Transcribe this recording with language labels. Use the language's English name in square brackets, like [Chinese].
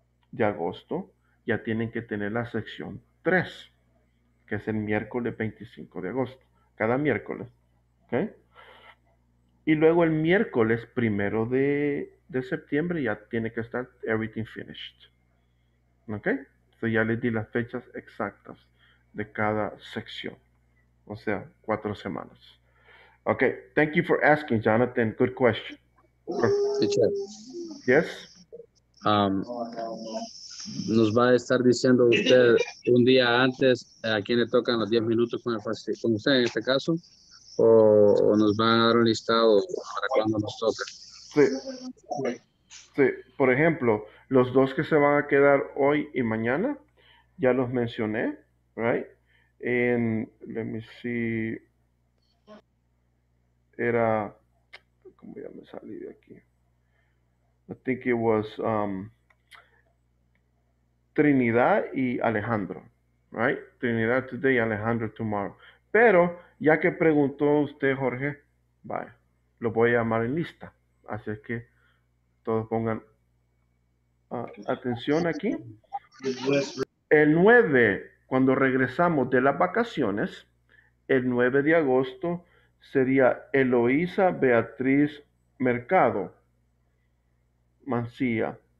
[Spanish] de agosto, ya tienen que tener la sección 3, que es el miércoles 25 de agosto, cada miércoles, ¿ok? Y luego el miércoles primero de septiembre ya tiene que estar [English] everything finished, [Spanish] ¿ok? Entonces ya les di las fechas exactas de cada sección, o sea, 4 semanas. [English] Ok, thank you for asking, Jonathan, good question. Teacher. Yes? [Spanish] Nos va a estar diciendo usted un día antes a quién le tocan los 10 minutos con usted en este caso, o nos van a dar un listado para cuando nos toca. Sí. Sí, por ejemplo, los dos que se van a quedar hoy y mañana, ya los mencioné, right? [English] And let me see, [Spanish] era, ¿cómo ya me salí de aquí? [English] I think it was Trinidad y Alejandro, right? Trinidad today y Alejandro tomorrow. [Spanish] Pero ya que preguntó usted, Jorge, vaya, lo voy a llamar en lista. Así es que todos pongan atención aquí. El 9, cuando regresamos de las vacaciones, el 9 de agosto sería Eloísa Beatriz Mercado Mancía.